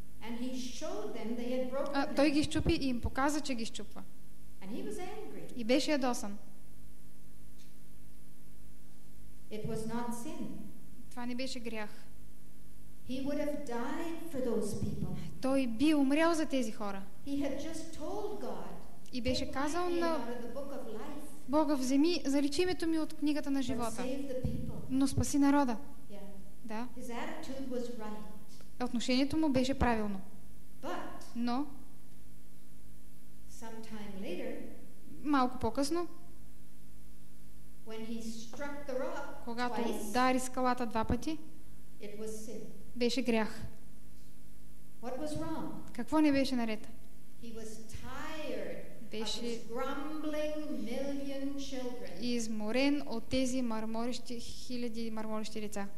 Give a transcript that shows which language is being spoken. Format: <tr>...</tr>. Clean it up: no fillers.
<en>And he showed them they had broken.</en> <bg>Той ги счупи и им показа, че ги счупва.</bg> <en>And he was angry.</en> <bg>И беше ядосан.</bg> <en>It was not sin.</en> <bg>Това не беше грях.</bg> <en>He would have died for those people.</en> <bg>Той би умрял за тези хора.</bg> <en>He had just told God.</en> <bg>И беше казал на Бога, вземи, заличи името ми от книгата на живота. Но спаси народа.</bg> <en>Yeah.</en> <bg>Да.</bg> <en>His attitude was right.</en> <bg>Отношението му беше правилно.</bg> <en>But,</en> <bg>но</bg> <en>later,</en> <bg>малко по-късно,</bg> <en>when he struck the rock twice,</en> <bg>когато удари скалата два пъти,</bg> <en>it was sin.</en> <bg>Беше грях.</bg> <en>What was wrong?</en> <bg>Какво не беше наред?</bg> <en>He was tired</en> <bg>беше</bg> <en>of his grumbling million children.</en> <bg>Изморен от тези мърморещи, хиляди мърморещи деца.</bg>